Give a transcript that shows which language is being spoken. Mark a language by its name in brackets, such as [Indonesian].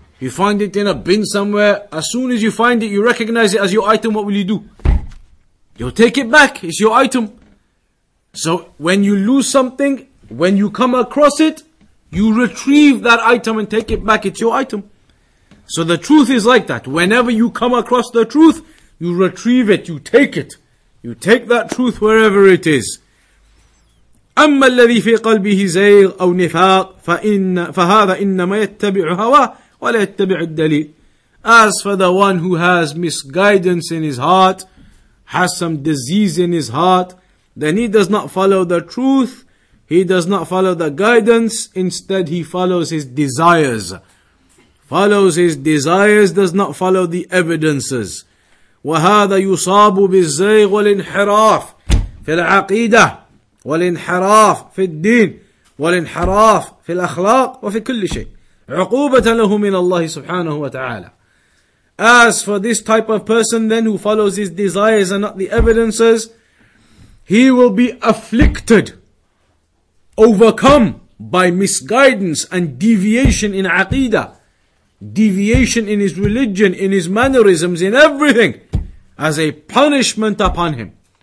[English] You find it in a bin somewhere. As soon as you find it, you recognize it as your item. What will you do? You'll take it back. It's your item. So when you lose something, when you come across it, you retrieve that item and take it back. It's your item. So the truth is like that. Whenever you come across the truth, you retrieve it. You take it. You take that truth wherever it is. [Arabic] أما الذي في قلبه زيغ أو نفاق فهذا إنما يتبع هواه ولا يتبع الدليل. [English] As for the one who has misguidance in his heart, has some disease in his heart, then he does not follow the truth, he does not follow the guidance, instead he follows his desires. Follows his desires, does not follow the evidences. [Arabic] وهذا يصاب بالزيغ والانحراف في العقيدة والانحراف في الدين والانحراف في الأخلاق وفي كل شيء عقوبة له من الله سبحانه وتعالى. [English] As for this type of person then who follows his desires and not the evidences, he will be afflicted, overcome by misguidance and deviation in aqidah, deviation in his religion, in his mannerisms, in everything, as a punishment upon him.